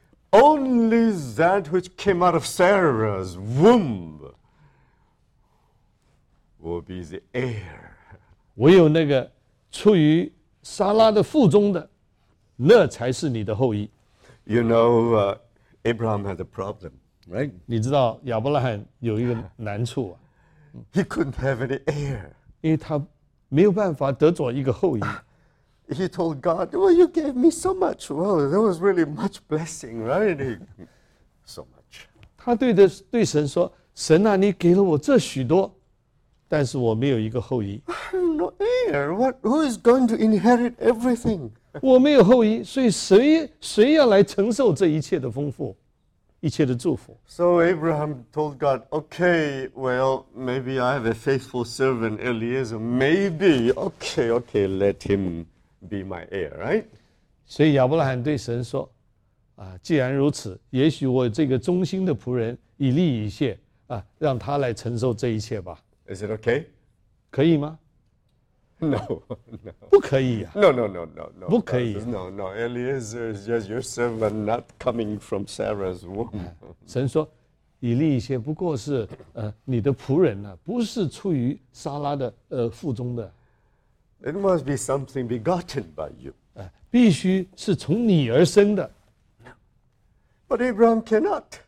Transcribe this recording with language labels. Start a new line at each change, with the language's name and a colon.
English: Only that which came out of Sarah's womb will be the heir.
Chinese: 唯有那个出于撒拉的腹中的，那才是你的后裔。
English: You know, Abraham had a problem, right?
Chinese: 你知道亚伯拉罕有一个难处啊。
English: He couldn't have any heir.
Chinese: 因为他没有办法得着一个后裔。
English: He told God, well, you gave me so much. Well, that was really much blessing, right? So much.
Chinese: 他对神说，神啊，你给了我这许多，但是我没有一个后裔。
English: I have no heir. Who is going to inherit everything?
Chinese: 我没有后裔，所以谁要来承受这一切的丰富，一切的祝福。
English: So Abraham told God, okay, well, maybe I have a faithful servant, Eliezer, maybe, okay, let him be my heir, right?
Chinese: 所以亚伯拉罕对神说，既然如此，也许我这个忠心的仆人以利以谢，让他来承受这一切吧。
English: Is it okay?
Chinese: 可以吗？
English: No,
Chinese: 不可以啊。
English: No.
Chinese: 不可以。
English: No, Eliezer is just your servant, not coming from Sarah's womb.
Chinese: 神说，以利以谢不过是你的仆人啊，不是出于撒拉的腹中的。
English: It must be something begotten by you.
Chinese: 必须是从你而生的。
English: But Abraham cannot.